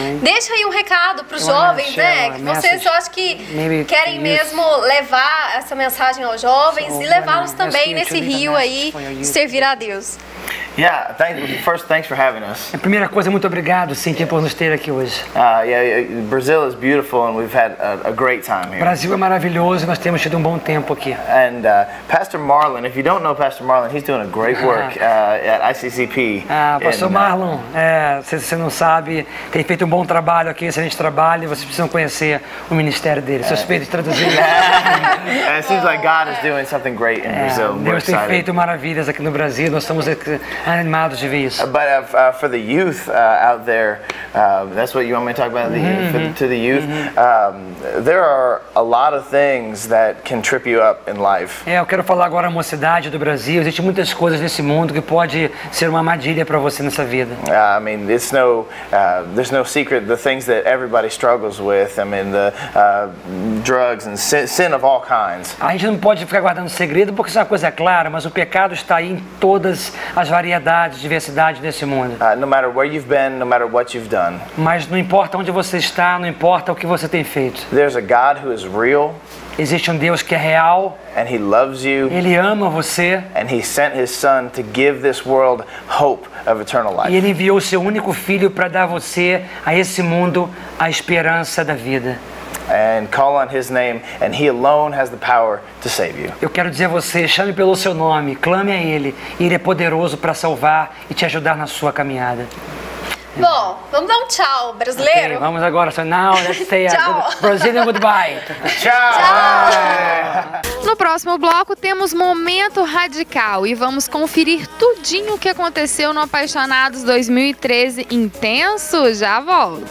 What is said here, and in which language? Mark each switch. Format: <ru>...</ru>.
<pt>Deixa aí um recado para os jovens, né? Vocês, eu acho que querem mesmo levar essa mensagem aos jovens e levá-los também nesse rio aí, servir a Deus.</pt> <en>Yeah, thanks for having us.</en> <pt>A primeira coisa, muito obrigado, Cintia, por nos ter aqui hoje.</pt> <en>Brazil is beautiful and we've had a great time here.</en> <pt>Brasil é maravilhoso, nós temos tido um bom tempo aqui.</pt> <en>And Pastor Marlon, if you don't know Pastor Marlon, he's doing a great work at ICCP.</en> <pt>Pastor Marlon, se você não sabe, tem feito um bom trabalho aqui, excelente trabalho, vocês precisam conhecer o ministério dele. Suspeito de traduzir.</pt> <en>It seems like God is doing something great in Brazil.</en> <pt>Deus tem feito maravilhas aqui no Brasil, nós estamos animados de ver isso.</pt> <en>But for the youth out there, that's what you want me to talk about, to the youth. There are a lot of things that can trip you up in life.</en> <pt>Eu quero falar agora a mocidade do Brasil. Existem muitas coisas nesse mundo que pode ser uma armadilha para você nessa vida.</pt> <en>I mean, it's no there's no secret the things that everybody struggles with. I mean, the drugs and sin of all kinds.</en> <pt>A gente não pode ficar guardando segredo porque isso é uma coisa clara, mas o pecado está aí em todas as variedades, diversidade desse mundo.</pt> <en>No matter where you've been, no matter what you've done.</en> <pt>Mas não importa onde você está, não importa o que você tem feito.</pt> <en>There's a God who is real.</en> <pt>Existe um Deus que é real.</pt> <en>And he loves you.</en> <pt>Ele ama você.</pt> <en>And he sent his son to give this world hope of eternal life.</en> <pt>E ele enviou o seu único filho para dar a você, a esse mundo, a esperança da vida.</pt> <en>And call on his name, and he alone has the power to save you.</en> <pt>Eu quero dizer a você, chame pelo seu nome, clame a ele, e ele é poderoso para salvar e te ajudar na sua caminhada. Bom, vamos dar um tchau, brasileiro.</pt> <en>Okay,</en> <pt>vamos agora,</pt> <en>so now let's say a good Brazilian goodbye.</en> <pt>Tchau. Tchau. No próximo bloco temos Momento Radical e vamos conferir tudinho o que aconteceu no Apaixonados 2013 intenso. Já volto.</pt>